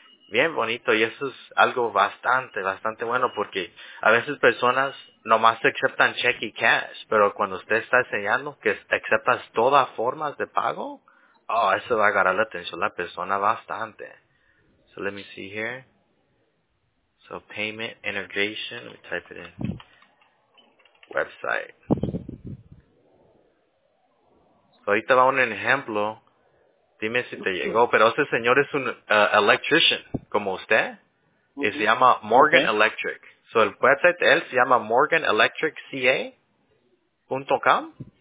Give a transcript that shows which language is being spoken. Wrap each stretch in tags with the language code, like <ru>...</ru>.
<es>Bien bonito, y eso es algo bastante, bastante bueno, porque a veces personas nomás aceptan check y cash, pero cuando usted está enseñando que aceptas todas formas de pago, oh, eso va a agarrar la atención a la persona bastante.</es> <en>So, let me see here. So, payment integration, let me type it in. Website.</en> <es>So, ahorita va un ejemplo. Dime si te llegó, pero ese señor es un electrician, como usted, uh-huh. y se llama Morgan okay. Electric. So, el website de él se llama morganelectricca.com.</es>